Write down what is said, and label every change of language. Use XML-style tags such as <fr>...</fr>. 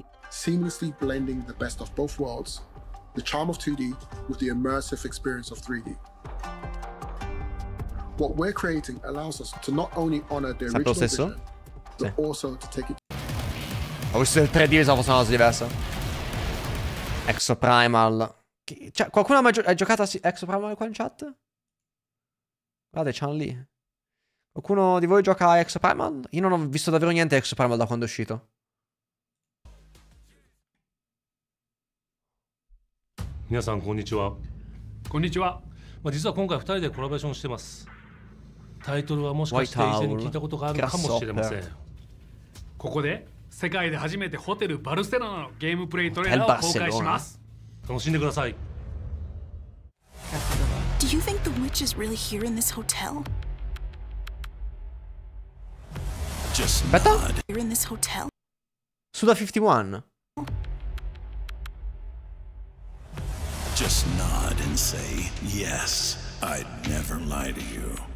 <en>seamlessly blending the best of both worlds, the charm of 2D with the immersive experience of 3D. What we're creating allows us to not only honor the original vision, but</en> <it>sì.</it> <en>Also to take it.</en> <it>Ho visto il 3D, sono una cosa diversa. Exo Primal. Cioè, qualcuno ha mai giocato a Exo Primal qua in chat? Guarda, c'è lì. Qualcuno di voi gioca a Exo Primal? Io non ho visto davvero niente Exo Primal da quando è uscito.</it> <ja>Minasan, konnichiwa. Konnichiwa. Ma 実は今回2人でコラボレーションしてます。タイトルはもしかして以前に聞いたことがあるかもしれません。ここで世界で初めてホテルバルセロナのゲームプレイトレーラーを公開します。楽しんでください。</ja> <en>Do you think the witch is really here in this hotel?</en> <it>Aspetta,</it> <en>here in this hotel?</en> <it>Suda 51.</it> <en>Just nod and say yes, I'd never lie to you.</en>